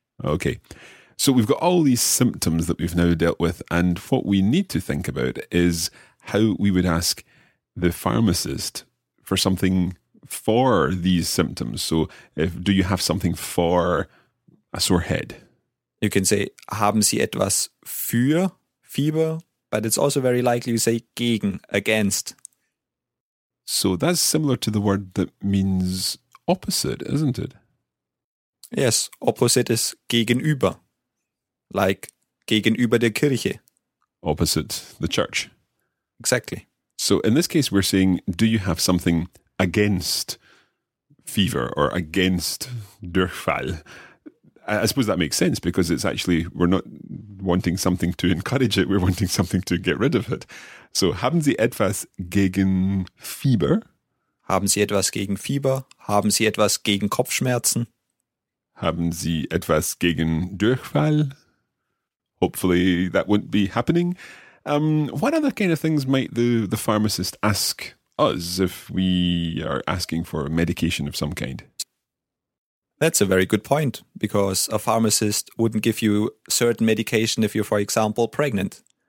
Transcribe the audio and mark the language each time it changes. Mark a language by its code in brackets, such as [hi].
[en] Okay, so we've got all these symptoms that we've now dealt with, and what we need to think about is how we would ask the pharmacist for something for these symptoms. So if, do you have something for a sore head? You can say, [de] haben Sie etwas für Fieber? [en] But it's also very likely you say gegen, against. So that's similar to the word that means opposite, isn't it? Yes, opposite is gegenüber. [de] Like gegenüber der Kirche. [en] Opposite the church. Exactly. So in this case we're saying, do you have something against fever or against Durchfall? I suppose that makes sense because it's actually, we're not wanting something to encourage it, we're wanting something to get rid of it. [de] So, haben Sie etwas gegen Fieber? Haben Sie etwas gegen Fieber? Haben Sie etwas gegen Kopfschmerzen? Haben Sie etwas gegen Durchfall? [en] Hopefully that won't be happening. What other kind of things might the pharmacist ask us if we are asking for a medication of some kind? That's a very good point, because a pharmacist wouldn't give you certain medication if you're, for example, pregnant.